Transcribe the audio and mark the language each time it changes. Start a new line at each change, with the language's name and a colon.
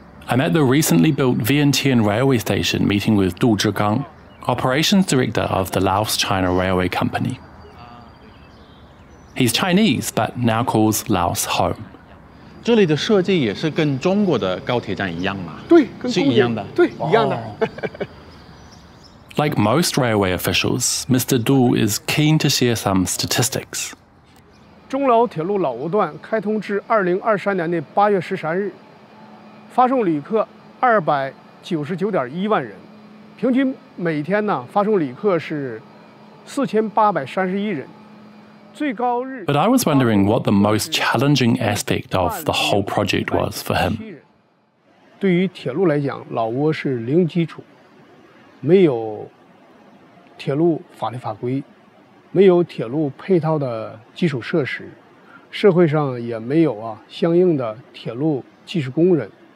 English: I'm at the recently built Vientiane Railway Station meeting with Du Zhigang, Operations Director of the Laos China Railway Company. He's Chinese, but now calls Laos home.
Chinese: 这里的设计也是跟中国的高铁站一样吗？对，是一样的。对，一样的。
English: Like most railway officials, Mr. Du is keen to share some statistics.
Chinese: 中老铁路老挝段开通至2023年的8月13日，发送旅客299.1万人，平均每天呢发送旅客是4831人。
English: But I was wondering what the most challenging aspect of the whole project was for him.
Chinese: 对于铁路来讲，老挝是零基础，没有铁路法律法规，没有铁路配套的基础设施，社会上也没有啊相应的铁路技术工人。